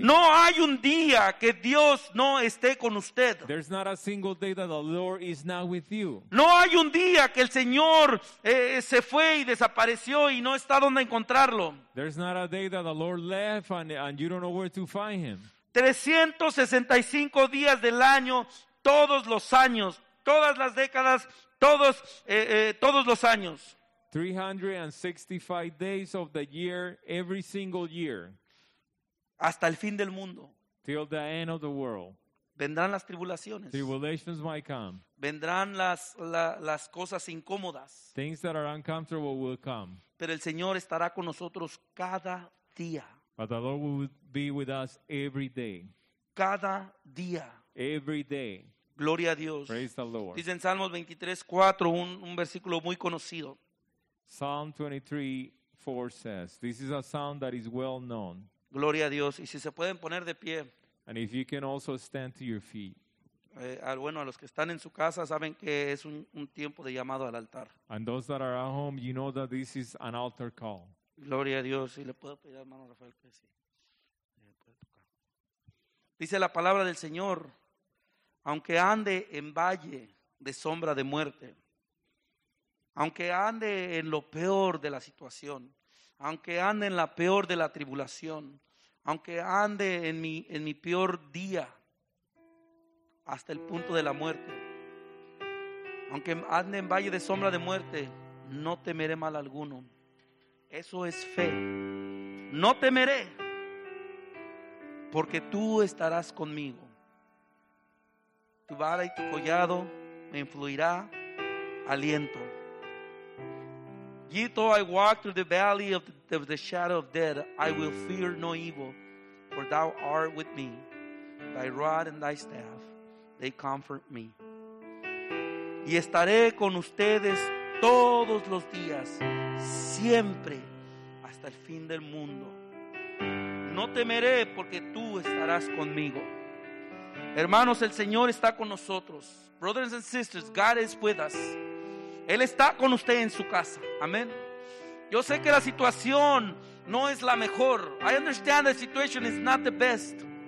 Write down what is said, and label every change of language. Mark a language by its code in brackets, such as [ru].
[es] No hay un día que Dios no esté con usted. [en] There's not a single day that the Lord is not with you. [es] No hay un día que el Señor se fue y desapareció y no está donde encontrarlo. [en] There's not a day that the Lord left and you don't know where to find him. [es] 365 días del año, todos los años, todas las décadas, todos los años. [en] 365 days of the year, every single year. [es] Hasta el fin del mundo. [en] Till the end of the world. [es] Vendrán las tribulaciones. [en] Tribulations might come. [es] Vendrán las cosas incómodas. [en] Things that are uncomfortable will come. [es] Pero el Señor estará con nosotros cada día. [en] But the Lord will be with us every day. [es] Cada día. [en] Every day. [es] Gloria a Dios. [en] Praise the Lord. [es] Dice en Salmos 23:4, un versículo muy conocido. [en] Psalm 23:4 says, this is a psalm that is well known. [es] Gloria a Dios. Y si se pueden poner de pie. [en] And if you can also stand to your feet. [es] Bueno, a los que están en su casa saben que es un tiempo de llamado al altar. [en] And those that are at home, you know that this is an altar call. [es] Gloria a Dios. Y le puedo pedir a hermano Rafael que sí. Dice la palabra del Señor, aunque ande en valle de sombra de muerte, aunque ande en lo peor de la situación, aunque ande en la peor de la tribulación, aunque ande en mi peor día, hasta el punto de la muerte, aunque ande en valle de sombra de muerte, no temeré mal alguno. Eso es fe. No temeré, porque tú estarás conmigo. Tu vara y tu collado me influirá aliento. [en] Yet though I walk through the valley of the shadow of death, I will fear no evil, for thou art with me. Thy rod and thy staff, they comfort me. [es] Y estaré con ustedes todos los días, siempre, hasta el fin del mundo. No temeré, porque tú estarás conmigo. Hermanos, el Señor está con nosotros. [en] Brothers and sisters, God is with us. [es] Él está con usted en su casa. Amén. Yo sé que la situación no es la mejor. [en] I understand the situation is not the best.